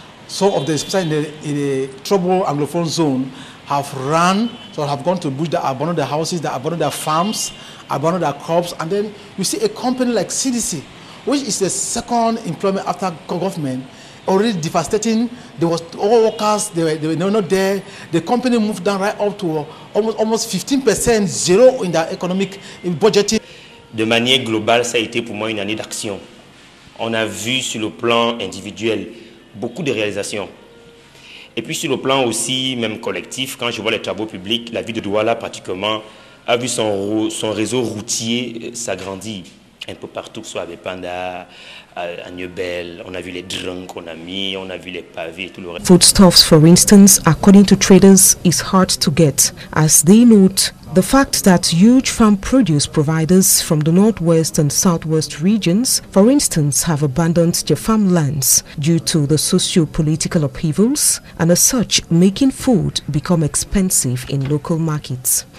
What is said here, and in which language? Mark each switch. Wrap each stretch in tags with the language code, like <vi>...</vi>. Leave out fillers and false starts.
<en>some of the, especially in the troubled Anglophone zone, have run, so have gone to bush, that abandoned their houses, that abandoned their farms, abandoned their crops. And then you see a company like CDC, which is the second employment after government, already devastating. There was all workers, they were not there. The company moved down right up to almost 15%, zero in their economic budgeting.</en> <fr>De manière globale, ça a été pour moi une année d'action. On a vu sur le plan individuel beaucoup de réalisations. Et puis sur le plan aussi, même collectif, quand je vois les travaux publics, la ville de Douala pratiquement a vu son réseau routier s'agrandir un peu partout, soit à Bépanda, à Niebel, on a vu les drones qu'on a mis, on a vu les pavés et tout le reste.</fr> <en>Foodstuffs, for instance, according to traders, is hard to get, as they note the fact that huge farm produce providers from the northwest and southwest regions, for instance, have abandoned their farmlands due to the socio-political upheavals, and as such, making food become expensive in local markets.</en>